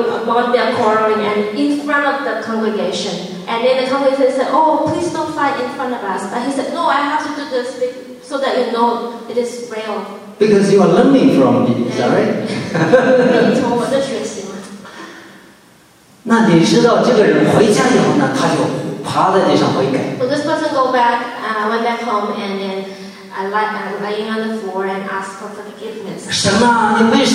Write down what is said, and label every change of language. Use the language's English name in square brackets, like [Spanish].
[English] about them quarreling and in front of the congregation. And then the congregation said, oh, please don't fight in front of us. But he said, no, I have to do this so that you know it is real. Because you are learning from me, is that right? [Chinese] 你从我的学习吗？那你知道这个人回家以后呢，他就趴在地上悔改。 [English] So this person go back, went back home and then lying on the floor and asked for forgiveness.